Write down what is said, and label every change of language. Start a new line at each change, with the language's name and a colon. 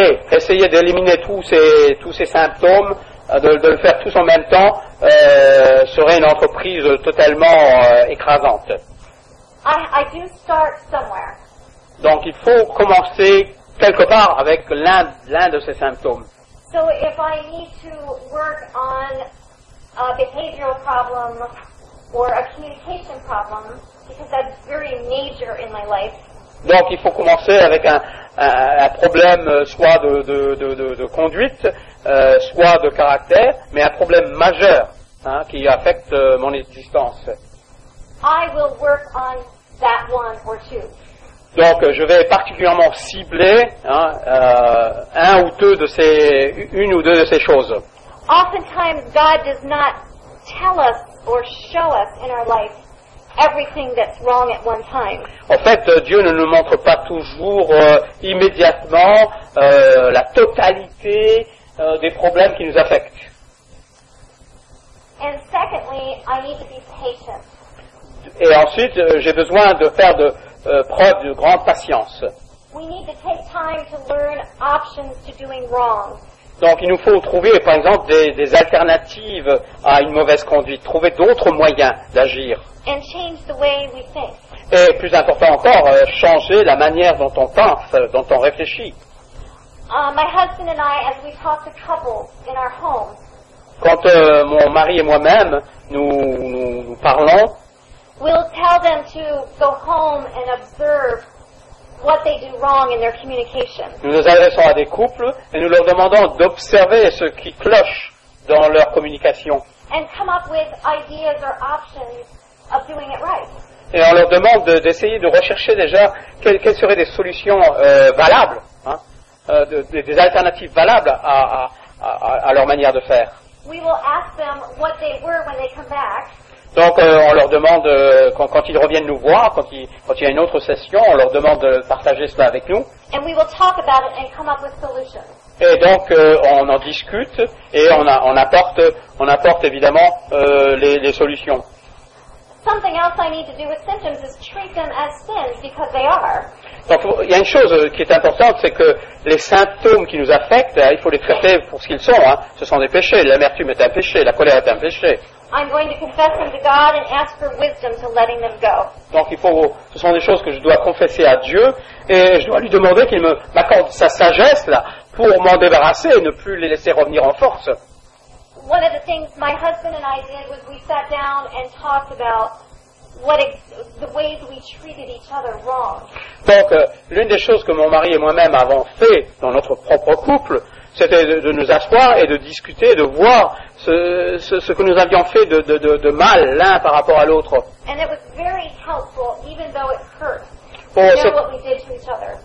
French: Essayer d'éliminer tous ces symptômes, de le faire tous en même temps, serait une entreprise totalement écrasante.
English: I do start somewhere.
French: Donc il faut commencer quelque part avec l'un de ces symptômes.
English: So if I need to work on a behavioral problem or a communication problem, because that's very major in my life.
French: Donc il faut commencer avec un problème soit de conduite, soit de caractère, mais un problème majeur. hein, qui affecte mon existence.
English: I will work on that one or two.
French: Donc, je vais particulièrement cibler un ou deux de ces, une ou deux de ces choses.
English: Oftentimes, God does not tell us or show us in our life everything that's wrong at one time.
French: En fait, Dieu ne nous montre pas toujours immédiatement la totalité des problèmes qui nous affectent.
English: And secondly, I need to be patient.
French: Et ensuite, j'ai besoin de faire de preuve de grande patience.
English: We need to take time to learn options to doing wrong.
French: Donc, il nous faut trouver, par exemple, des alternatives à une mauvaise conduite, trouver d'autres moyens d'agir.
English: And change the way we think.
French: Et plus important encore, changer la manière dont on pense, dont on réfléchit.
English: My husband and I, as we talk to couples in our home,
French: quand mon mari et moi-même, nous parlons,
English: we'll tell them to go home and observe what they do wrong in their communication.
French: Nous nous adressons à des couples et nous leur demandons d'observer ce qui cloche dans leur communication.
English: And come up with ideas or options of doing it right.
French: Et on leur demande d'essayer de rechercher déjà quelles seraient des solutions valables, hein, des alternatives valables à leur manière de faire.
English: We will ask them what they were when they come back.
French: Donc, on leur demande, quand ils reviennent nous voir, quand il y a une autre session, on leur demande de partager cela avec nous.
English: And we will talk about it and come up with solutions.
French: Et donc, on en discute et on apporte évidemment les solutions.
English: Something else I need to do with symptoms is treat them as sins because they are.
French: Donc, il y a une chose qui est importante, c'est que les symptômes qui nous affectent, il faut les traiter pour ce qu'ils sont. Hein. Ce sont des péchés. L'amertume est un péché. La colère est un péché.
English: I'm going to confess them to God and ask for wisdom to letting them go.
French: Donc, ce sont des choses que je dois confesser à Dieu et je dois lui demander qu'il m'accorde sa sagesse là pour m'en débarrasser et ne plus les laisser revenir en force.
English: One of the things my husband and I did was we sat down and talked about the ways we treated each other wrong.
French: Donc, l'une des choses que mon mari et moi-même avons fait dans notre propre couple, c'était de nous asseoir et de discuter, de voir ce que nous avions fait de mal l'un par rapport à l'autre.
English: And it was very helpful, even though it hurt, bon, to know what we did to each other.